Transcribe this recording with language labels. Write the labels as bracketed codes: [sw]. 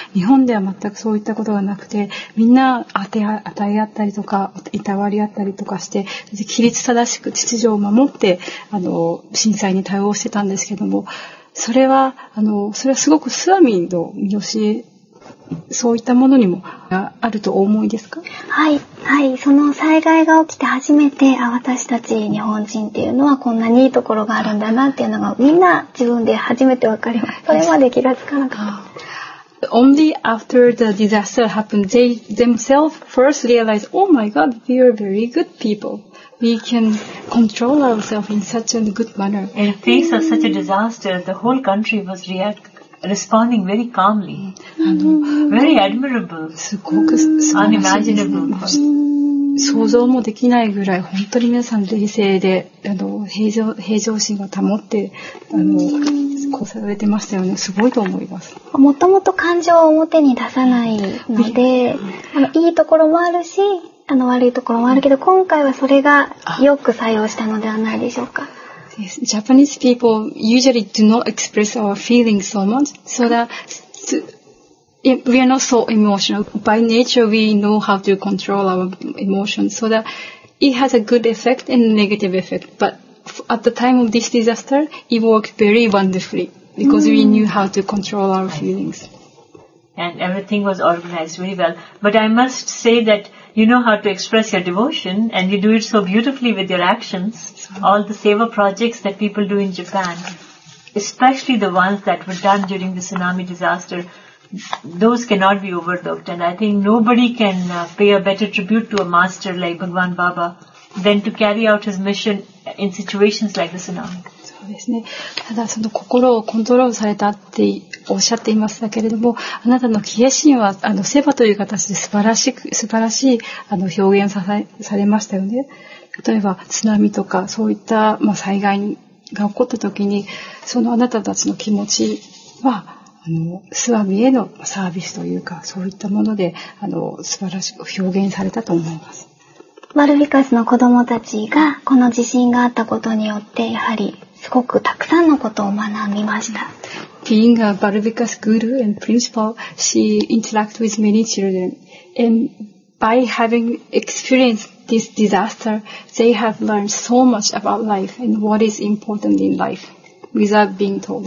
[ja] 日本では全くそういったことがなくて、みんな当て与え合ったりとかいたわり合ったりとかして、規律正しく秩序を守って震災に対応してたんですけども、それはそれはすごくスワミの教え、そういったものにもあるとお思いですか。はい、はい、その災害が起きて初めて、あ、私たち日本人っていうのはこんなにいいところがあるんだなっていうのが、みんな自分で初めて分かりました。それまで気がつかなかった。 [en] Only after the disaster happened, they themselves first realized, oh my god, we are very good people. We can control ourselves in such a good manner. In the face of such a disaster, the whole country was responding very calmly. Very admirable. [ja] すごく素晴らしいですね。 [en] Unimaginable. [ja] 想像もできないぐらい、本当に皆さん冷静で、平常心を保って、こうされてましたよね。すごいと思います。もともと感情を表に出さないので、いいところもあるし、悪いところもあるけど、今回はそれがよく作用したのではないでしょうか。 [en] Yes. Japanese people usually do not express our feelings so much, so that we are not so emotional. By nature, we know how to control our emotions, so that it has a good effect and a negative effect. But at the time of this disaster, it worked very wonderfully because we knew how to control our feelings. And everything was organized very well. But I must say thatYou know how to express your devotion, and you do it so beautifully with your actions. All the seva projects that people do in Japan, especially the ones that were done during the tsunami disaster, those cannot be overlooked. And I think nobody can pay a better tribute to a master like Bhagwan Baba than to carry out his mission in situations like the tsunami. [ja] ですね、ただその心をコントロールされたっておっしゃっていましたけれども、あなたの気合心はセバという形で素晴らしい表現されましたよね。例えば津波とかそういった、まあ、災害が起こった時に、そのあなたたちの気持ちはスワミへのサービスというか、そういったもので素晴らしく表現されたと思います。マルフィカスの子どもたちがこの地震があったことによって、やはりすごくたくさんのことを学びました。 [en] Being a Barbika's guru and principal, she interacted with many children. And by having experienced this disaster, they have learned so much about life and what is important in life without being told.